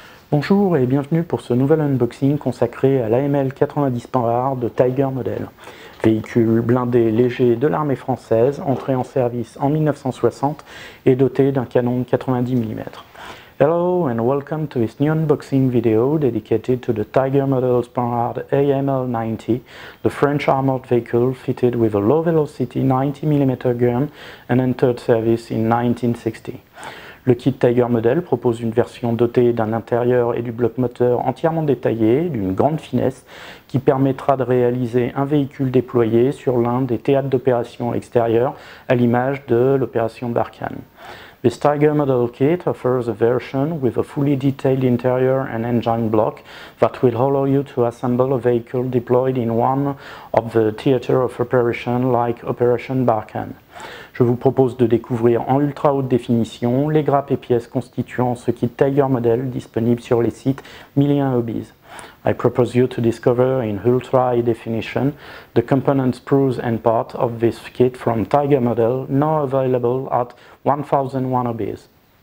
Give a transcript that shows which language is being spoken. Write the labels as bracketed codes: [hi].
[fr] Bonjour et bienvenue pour ce nouvel unboxing consacré à l'AML 90 Panhard de Tiger Model. Véhicule blindé léger de l'armée française, entré en service en 1960 et doté d'un canon de 90 mm. [en] Hello and welcome to this new unboxing video dedicated to the Tiger Model Panhard AML 90, the French armored vehicle fitted with a low velocity 90 mm gun and entered service in 1960. [fr] Le kit Tiger Model propose une version dotée d'un intérieur et du bloc moteur entièrement détaillé, d'une grande finesse, qui permettra de réaliser un véhicule déployé sur l'un des théâtres d'opération extérieurs à l'image de l'opération Barkhane. [en] This Tiger Model kit offers a version with a fully detailed interior and engine block that will allow you to assemble a vehicle deployed in one of the theater of operation like Operation Barkhane. [fr] Je vous propose de découvrir en ultra haute définition les grappes et pièces constituant ce kit Tiger Model disponible sur les sites 1001 Hobbies. [en] I propose you to discover in ultra high definition the components, sprues and parts of this kit from Tiger Model, now available at 1001 Hobbies.